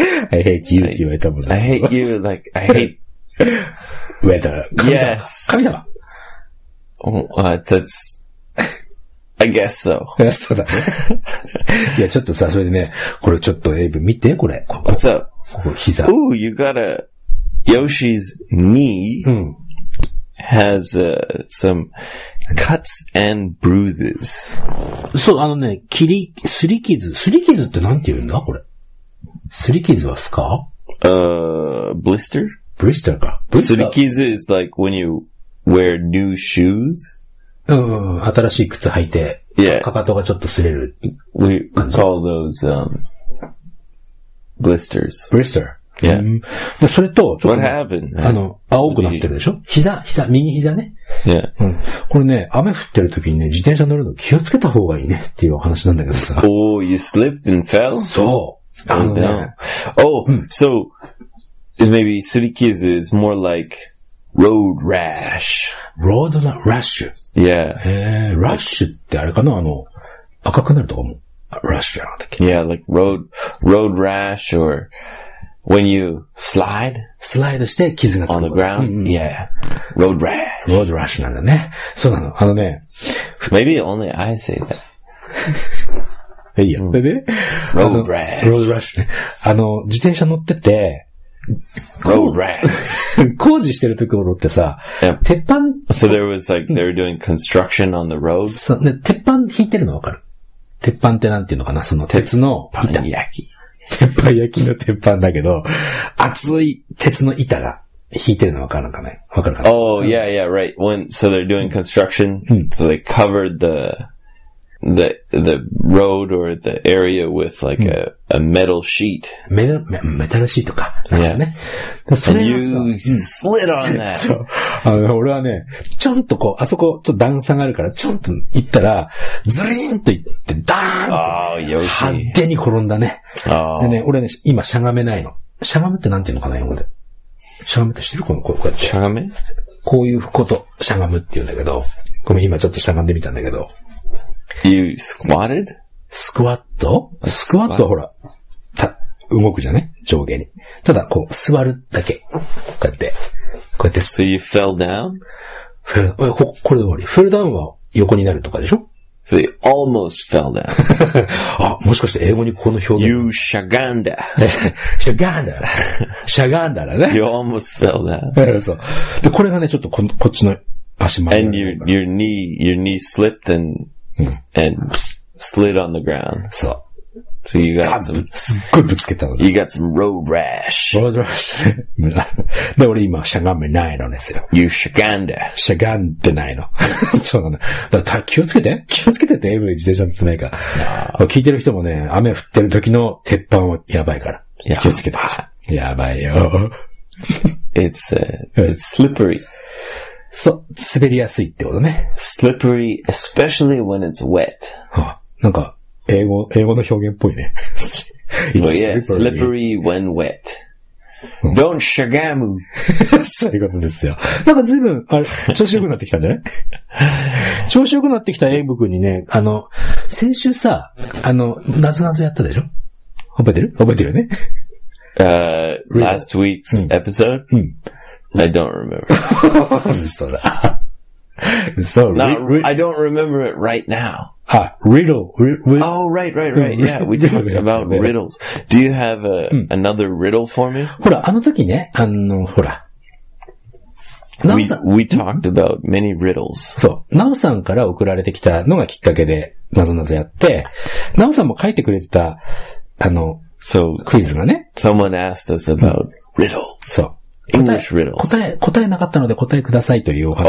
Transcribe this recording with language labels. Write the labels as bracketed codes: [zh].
[en] I hate you [ja] って言われたもん [en] ね。I hate you, like, I hate weather. [ja] 神様。 [en] Yes. [ja] 神様。 [en] That's, I guess so. [ja] そうだね。いや、ちょっとさ、それでね、これちょっとエイブ見て、これ。 [en] What's up? [ja] ここ膝。 [en] Ooh, you got a Yoshi's knee. [ja] うん。 [en] Has, some cuts and bruises. [ja] そう、あのね、すり傷ってなんて言うんだこれ。すり傷はスカ？ [en] Blister? [ja] Blister か。 [en] すり傷 is like when you wear new shoes. [ja] うん、新しい靴履いて、 [en] yeah. [ja] かかとがちょっと擦れる。 [en] We call those, blisters. Blister. Yeah. [ja] うん、それと、ちょっと、 [en] What happened? [ja] あの、青くなってるでしょ膝、右膝ね。 [en] Yeah. [ja] うん、これね、雨降ってる時にね、自転車乗るの気をつけた方がいいねっていうお話なんだけどさ。 [en] Oh, you slipped and fell? [ja] そう。あのね。 [en] Oh, no. oh so, maybe sri kiz is more like road rash. Road rash? Yeah. [ja] Rash ってあれかなあの、赤くなるとかも。Rash じゃなかったっけ [en] Yeah, like road rash or,When you slide? [ja] Slide して傷がつく。 [en] On the ground?、うん、yeah. Road rash. [ja] Road rash なんだね。そうなの。あのね。 [en] Maybe only I say that. [ja] いいよ。それで [en] Road rash. [ja] Road rash ね。あの、自転車乗ってて、 [en] Road rash. [ja] 工事してるところってさ、 [en] yeah. [ja] 鉄板。 [en] So there was like, they were doing construction on the road? [ja] そう、ね、鉄板引いてるのわかる。鉄板ってなんていうのかなその鉄の板。鉄板焼き。鉄板焼きの鉄板だけど、熱い鉄の板が引いてるの分かるのかね分かるかな [en] Oh, yeah, yeah, right. When, so they're doing construction,、 [ja] うん、 [en] so they covered the road or the area with like a,、うん、a metal sheet. [ja] メタルシートか。なんかね、 [en] yeah. それ And you slid on that. [ja] そう。あの、俺はね、ちょんとこう、あそこ、ちょっと段差があるから、ちょんと行ったら、ズリーンと行って、ダーンって、 [en] oh, Yoshi. [ja] 派手に転んだね。 [en] Oh. [ja] でね、俺ね、今しゃがめないの。しゃがめってなんていうのかな、英語で。しゃがめってしてるこの、こうやって。しゃがめこういうこと、しゃがむって言うんだけど、ごめん、今ちょっとしゃがんでみたんだけど、 [en] You squatted? [ja] スクワット？スクワットはほら、動くじゃね？上下に。ただ、こう、座るだけ。こうやって。 [en] So you fell down? [ja] これで終わり。 Fell down は横になるとかでしょ？ [en] So you almost fell down. [ja] あ、もしかして英語にこの表現。 [en] You shagand. [ja] Shagand. Shagand だね。 [en] You almost fell down. [ja] そう。で、これがね、ちょっとこっちの足前。 [en] And your knee slipped and and slid on the ground. So, you got some. [ja] すっごいぶつけたの。 [en] You got some road rash. Road rash. [ja] で、俺今しゃがめないのですよ。 [en] You shaganda. [ja] しゃがんでないの。そうなんだ。だから気をつけて。気をつけてって、エブリ自転車乗ってないか。聞いてる人もね、雨降ってる時の鉄板はやばいから。気をつけて。やばいよ。 [en] It's slippery. [ja] そう、滑りやすいってことね。 [en] slippery, especially when it's wet. [ja] なんか、英語の表現っぽいね。 [en] well, yeah, slippery when wet. Don't shagamu. [ja] そういうことですよ。なんか随分、あれ、調子良くなってきたんじゃない調子良くなってきたエイブ君にね、あの、先週さ、あの、なぞなぞやったでしょ覚えてる覚えてるね。 [en] last week's episode? [ja] うん。うん [en] I don't remember. [ja] そうだ。そう。 [en] Now, I don't remember it right now. Ah, riddle. Oh, right. Yeah, we talked about riddles. Do you have another riddle for me? [ja] ほら、あの時ね、あの、ほら。 [en] We talked about many riddles. [ja] そう。ナオさんから送られてきたのがきっかけで、なぞなぞやって、ナオさんも書いてくれてた、あの、 [en] so, [ja] クイズがね。 [en] Someone asked us about riddle. So, English riddle. [ja] 答えなかったので答えくださいというお話。